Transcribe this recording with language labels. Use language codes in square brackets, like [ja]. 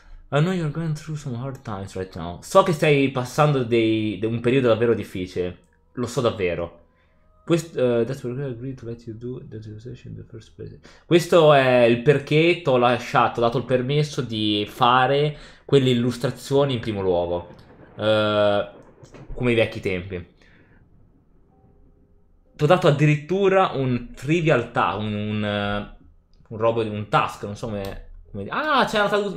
[en] I know you're going through some hard times right now. [it] So che stai passando di un periodo davvero difficile. Lo so davvero. [en] That's why I agreed to let you do the dissertation in the first place. [it] Questo è il perché t'ho lasciato, dato il permesso di fare quelle illustrazioni in primo luogo. Come i vecchi tempi. T'ho dato addirittura un trivial task, un robo di un task, non so come. Ah, c'è la traduzione.